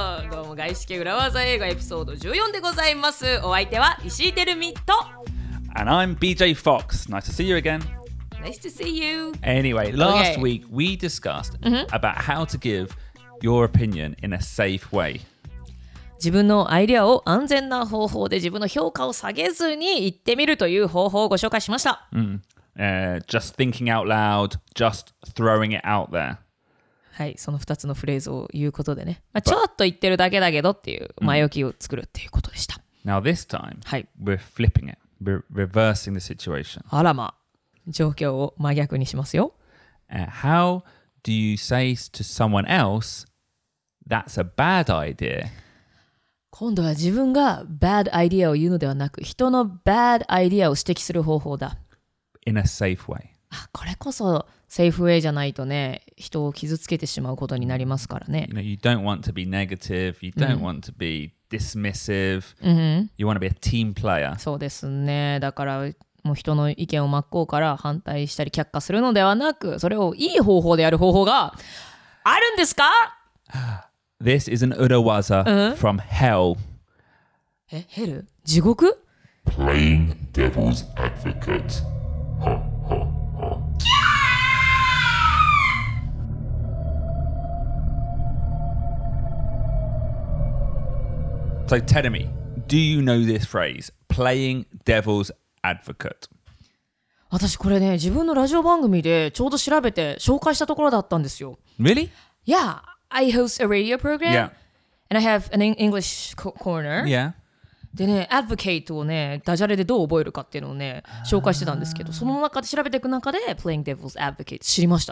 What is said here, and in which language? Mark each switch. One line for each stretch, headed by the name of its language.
Japanese: どうも外資系裏技英語エピソード14でございます。お相手は石井テルミと。
English: And I'm BJ Fox. Nice to see you again. Nice to see you. Anyway, last week we discussed about how to give your opinion in a safe way.
Japanese: 自分のアイデアを安全な方法で自分の評価を下げずに言ってみるという方法をご紹介しました。
English: Just thinking out loud, just throwing it out there.
Japanese: はい、その2つのフレーズを言うことでね、まあ、ちょっと言ってるだけだけどっていう前置きを作るっていうことでした。
English: Now this time, we're flipping it. We're reversing the situation.
Japanese: あらま、状況を真逆にしますよ。
English: How do you say to someone else, that's a bad idea?
Japanese: 今度は自分が bad idea を言うのではなく、人の bad idea を指摘する方法だ。
English: In a safe way.
Japanese: あ、これこそ safe way じゃないとね、人を傷つけてしまうことになりますからね。
English: You know, you don't want to be negative. You don't want to be dismissive. You want to be a team player.
Japanese: そうですね。だから、もう人の意見を真っ向から反対したり却下するのではなく、それをいい方法でやる方法があるんですか？
English: This is an urawaza from hell.
Japanese: え、ヘル？地獄？
English: Playing devil's advocate. キャー！ So tell me, do you know this phrase? Playing devil's advocate.
Japanese: 私これね、自分のラジオ番組でちょうど調べて紹介したところだったんですよ。
English: Really? Yeah. I host a radio program, and I have an English corner.
Japanese: でね、advocate をね、ダジャレでどう覚えるかっていうのをね、紹介してたんですけど、その中で調べていく中で、
English: playing devil's advocate
Japanese: 知りました。